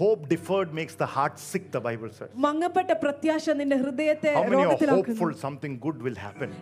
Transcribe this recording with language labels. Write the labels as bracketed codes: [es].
[en] Hope deferred makes the heart sick, the Bible says. [ml] മങ്ങപ്പെട്ട പ്രത്യാശ നിന്റെ ഹൃദയത്തെ രോഗത്തിലാക്കും. [en] How many are hopeful something good will happen?